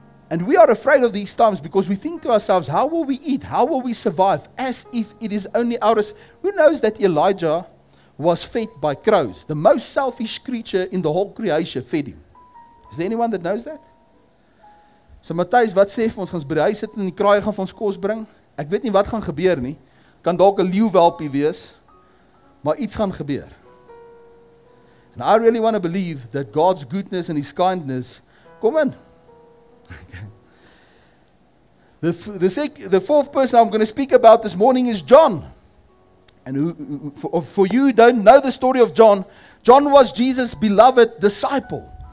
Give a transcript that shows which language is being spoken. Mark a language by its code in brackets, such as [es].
[en] And we are afraid of these times because we think to ourselves, how will we eat? How will we survive? As if it is only ours. Who knows that Elijah was fed by crows? The most selfish creature in the whole creation fed him. Is there anyone that knows that? So Matthijs, [af] wat sê vir ons? Gaan ons by die huis sit en die kraaie gaan vir ons kos bring? Ek weet nie wat gaan gebeur nie. Kan dalk 'n leeuwelpie wees. Maar iets gaan gebeur. [en] And I really want to believe that God's goodness and his kindness. Come in. The fourth person I'm going to speak about this morning is John. And for you who don't know the story of John, John was Jesus' beloved disciple.